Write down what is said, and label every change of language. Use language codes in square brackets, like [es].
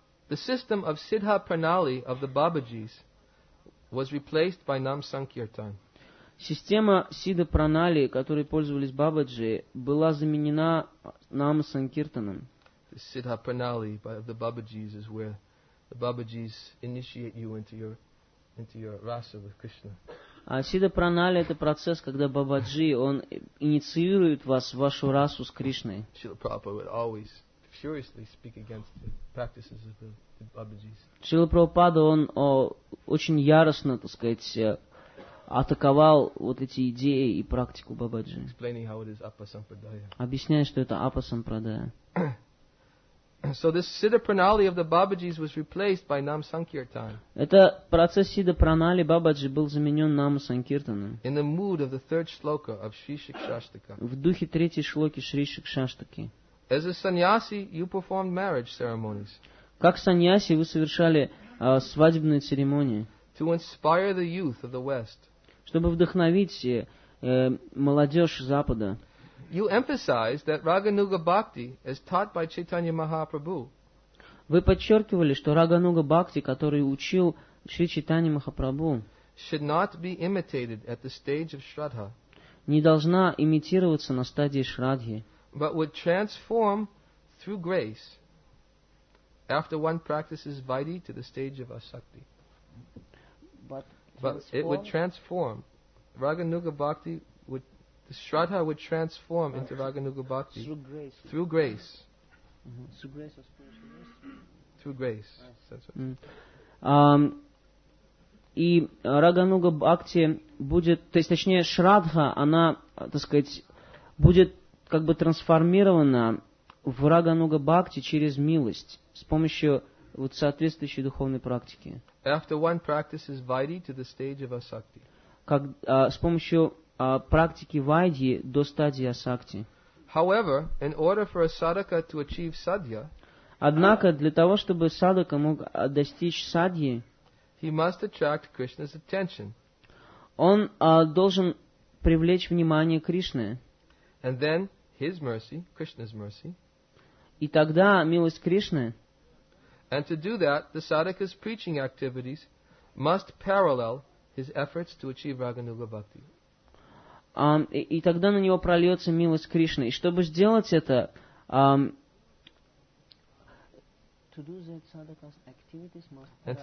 [en] The system of Siddha Pranali of the Babaji's was replaced by Nam Sankirtan. [ru] Система Сидха Пранали, которой пользовались Бабаджи, была заменена Нам Санкиртаном. [en] The Siddha Pranali of the Babaji's is where the Babaji's initiate you into your rasa with Krishna. [ru] Сидха Пранали — это процесс, когда Бабаджи он инициирует вас в вашу расу с Кришной. [en] Srila Prabhupada would always furiously speak against the practices of the Babaji's. [ru] Шрила Прабхупада, он очень яростно, атаковал вот эти идеи и практику Бабаджи. [en] Explaining how it is Appasampradaya. [ru] Объясняя, что это Апасампрадая. [en] So this Siddha Pranali of the Babaji's was replaced by Nam Sankirtan. [ru] Это процесс Siddha Pranali Бабаджи был заменен Нам Санкиртаном. [en] In the mood of the third shloka of Shri Shikshashtaka. [ru] В духе третьей шлоки Шри Шикшаштаки. [en] As a sannyasi, you performed marriage ceremonies. [ru] Как саньяси вы совершали свадебные церемонии? [en] To inspire the youth of the West. [ru] Чтобы вдохновить молодежь Запада. [en] You emphasize that Raganuga Bhakti is taught by Chaitanya Mahaprabhu. [ru] Вы подчеркивали, что Рагануга Бхакти, который учил Шри Чайтанья Махапрабху, [en] should not be imitated at the stage of Shraddha. [ru] Не должна имитироваться на стадии Шраддхи. [en] But would transform through grace after one practices Vaidhi to the stage of Asakti. But it would transform. Raganuga Bhakti would, the Shraddha would transform into Raganuga Bhakti. Through grace. Through grace. Mm-hmm. Through grace. That's what [ru] И Рагануга Бхакти будет, то есть точнее Шраддха, она, так сказать, будет как бы трансформирована в Рагануга Бхакти через милость, с помощью вот соответствующей духовной практики. [en] After one practices Vaidhi to the stage of Asakti. [ru] Как, с помощью практики Вайдхи до стадии Асакти. [en] However, in order for a sadhaka to achieve sadhya, [ru] однако, для того, чтобы садака мог достичь садхи, [en] he must attract Krishna's attention. [ru] Он должен привлечь внимание Кришны. [en] And then his mercy, Krishna's mercy. [ru] И тогда милость Кришны. [en] And to do that, the sadhaka's preaching activities must parallel his efforts to achieve Raganuga Bhakti. [ru] И тогда на него прольется милость Кришны. И чтобы сделать это, [en] to do that, sadhaka's activities must parallel.